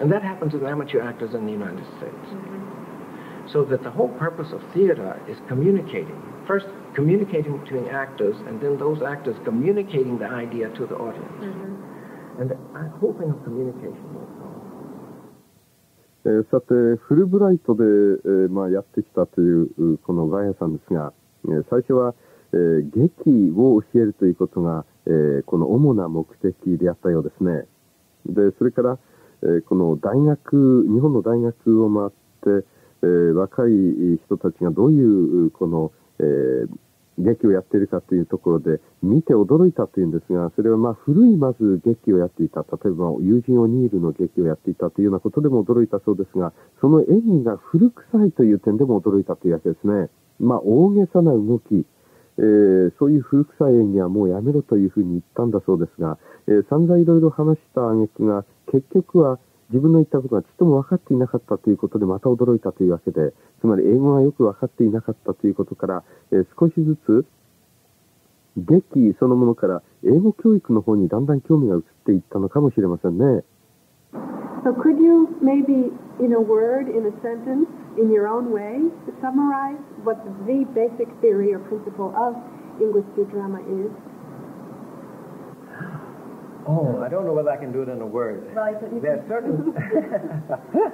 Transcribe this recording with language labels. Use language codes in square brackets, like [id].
[en] And that happens with amateur actors in the United States. Mm-hmm. So that the whole purpose of theater is communicating. First, communicating between actors, and then those actors communicating the idea to the audience. Mm-hmm. And the whole thing of communication was lost. [ja] さて、フルブライトで、まあ、やってきたというこのガイアさんですが、最初は、劇を教えるということが、この主な目的であったようですね。で、それから、この大学、日本の大学を回って、若い人たちがどういうこの、劇をやっているかというところで見て驚いたというんですが、それはまあ古いまず劇をやっていた、例えば友人オニールの劇をやっていたというようなことでも驚いたそうですが、その演技が古臭いという点でも驚いたというわけですね。まあ大げさな動き、そういう古臭い演技はもうやめろというふうに言ったんだそうですが、散々いろいろ話した挙句が結局は自分の言ったことがちょっとも分かっていなかったということでまた驚いたというわけで、つまり英語がよく分かっていなかったということから、少しずつ劇そのものから英語教育の方にだんだん興味が移っていったのかもしれませんね。 [en] So could you maybe in a word, in a sentence, in your own way, summarize what the basic theory or principle of English through drama is? Oh, I don't know whether I can do it in a word. Well, I thought you could.